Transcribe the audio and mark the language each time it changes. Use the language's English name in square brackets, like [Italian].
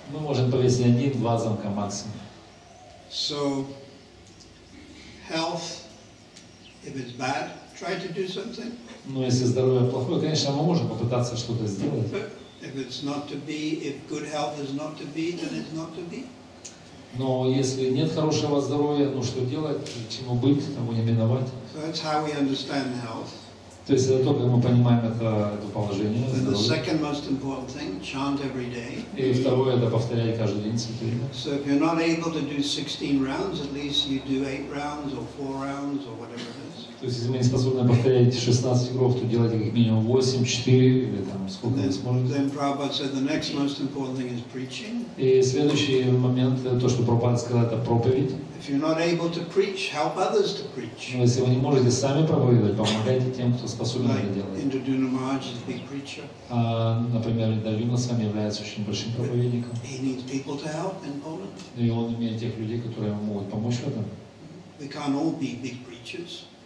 [Russian] Мы можем повесить один-два замка максимум. [English] So, health, if it's bad, try to do something. [Russian] Ну, если здоровье плохое, конечно, мы можем попытаться что-то сделать. [English] But if it's not to be, if good health is not to be, then it's not to be. [Russian] Но если нет хорошего здоровья, ну что делать, чему быть, тому не миновать. [English] So that's how we understand health. [Russian] То есть это то, как мы понимаем это положение. [English] The second most important thing, chant every day. [Russian] И второе, это повторять каждый день святые. [English] So if you're not able to do 16 rounds, at least you do 8 rounds or 4 rounds or whatever it is. [Russian] То есть если мы не способны повторять 16 кругов, то делайте как минимум 8, 4 или там сколько вы сможете. [English] Then Prabhupada said the next most important thing is preaching. [Russian] И следующий момент, то, что Прабхупада сказал, это проповедь. [English] If you're not able to preach, help others to preach. [Russian] Но если вы не можете сами проповедовать, помогайте тем, кто способен это делать. [English] Like Indraduna Maharaj is a big preacher. [Russian] Например, Индрадюна сам является очень большим проповедником. [English] He needs people to help in Poland. [Russian] И он имеет тех людей, которые ему могут помочь в этом. [English] We can't all be big preachers.